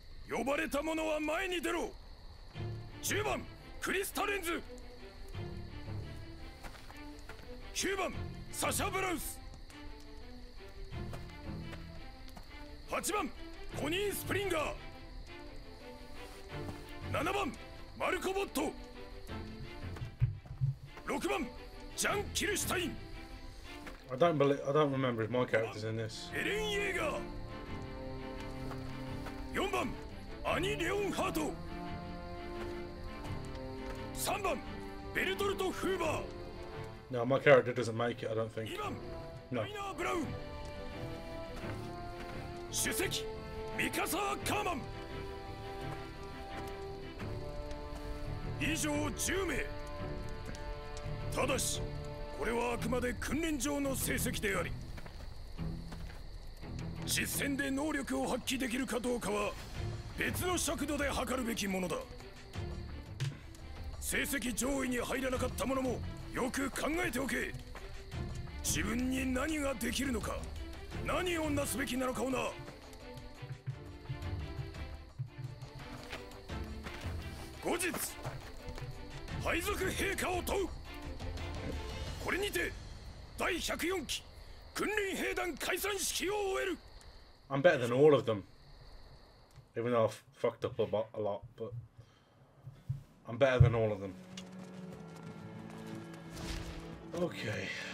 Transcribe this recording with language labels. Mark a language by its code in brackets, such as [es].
[ja] 呼ばれた者は前に出ろ。10番クリスタレンズ、9番サシャブラウス、8番コニー・スプリンガー、7番マルコ・ボット、6番ジャン・キルシュタイン。 [en] I don't remember if my character's in this. [ja] エレン・イェーガー。 4番アニ・レオンハート、3番ベルトルト・フーバー。 [en] No, my character doesn't make it, I don't think. [ja] 2番ライナー・ブラウン、主席ミカサ・カーマン。以上10名。ただしこれはあくまで訓練場の成績であり、実戦で能力を発揮できるかどうかは別の尺度で測るべきものだ。成績上位に入らなかった者もよく考えておけ。自分に何ができるのか、何をなすべきなのかをな。後日配属陛下を問う。これにて第104期訓練兵団解散式を終える。 [en] I'm better than all of them, even though I've fucked up a lot, but I'm better than all of them. Okay.